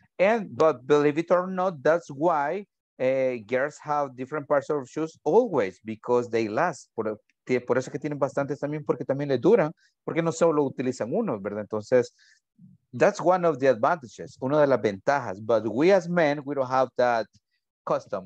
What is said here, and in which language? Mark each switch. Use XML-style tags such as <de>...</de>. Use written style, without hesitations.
<en>But believe it or not, that's why girls have different pairs of shoes always, because they last.</en> <es>Por eso que tienen bastantes también, porque también le duran, porque no solo utilizan uno, ¿verdad? Entonces...</es> <en>That's one of the advantages,</en> <es>una de las ventajas.</es> <en>But we as men, we don't have that custom.</en>